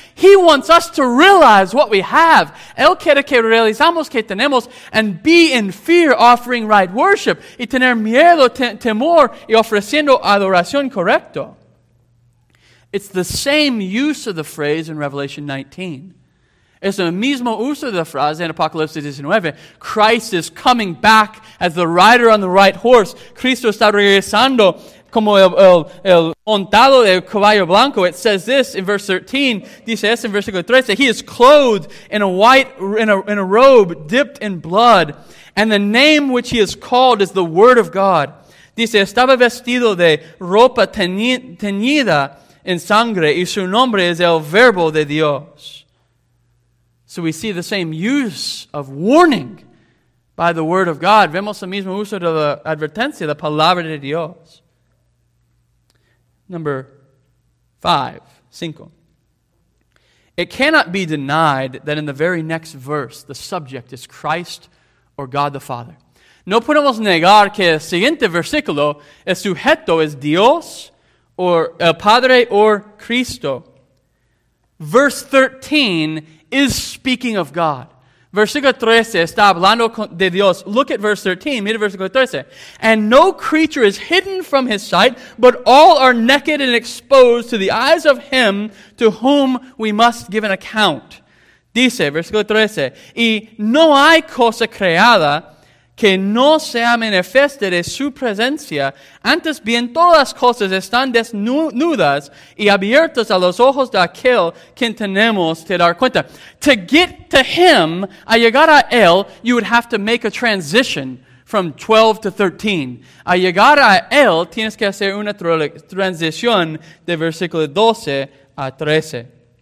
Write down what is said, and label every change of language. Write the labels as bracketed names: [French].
[English] He wants us to realize what we have. [Spanish] Él quiere que realizamos que tenemos [English] and be in fear offering right worship. [Spanish] Y tener miedo, temor y ofreciendo adoración correcto. [English] It's the same use of the phrase in Revelation 19. [Spanish] Es el mismo uso de la frase en Apocalipsis 19. [English] Christ is coming back as the rider on the right horse. [Spanish] Cristo está regresando como el montado del caballo blanco. [English] It says this in verse 13. [Spanish] Dice esto en versículo 13. [English] He is clothed in a white, in a robe dipped in blood. And the name which he is called is the Word of God. [Spanish] Dice, estaba vestido de ropa teñida en sangre. Y su nombre es el Verbo de Dios. [English] So we see the same use of warning by the Word of God. [Spanish] Vemos el mismo uso de la advertencia, la Palabra de Dios. [English] Number five, cinco. It cannot be denied that in the very next verse, the subject is Christ or God the Father. [Spanish] No podemos negar que el siguiente versículo, el sujeto es Dios or el Padre or Cristo. [English] Verse 13 is speaking of God. [Spanish] Versículo 13 está hablando de Dios. [English] Look at verse 13, [Spanish] mira versículo 13. [English] And no creature is hidden from his sight, but all are naked and exposed to the eyes of him to whom we must give an account. [Spanish] Dice, versículo 13, y no hay cosa creada que no sea manifiesta de su presencia, antes bien todas las cosas están desnudas y abiertas a los ojos de aquel quien tenemos que dar cuenta. [English] To get to him, [Spanish] a llegar a él, [English] you would have to make a transition from 12 to 13. [Spanish] A llegar a él, tienes que hacer una transición de versículo 12 a 13.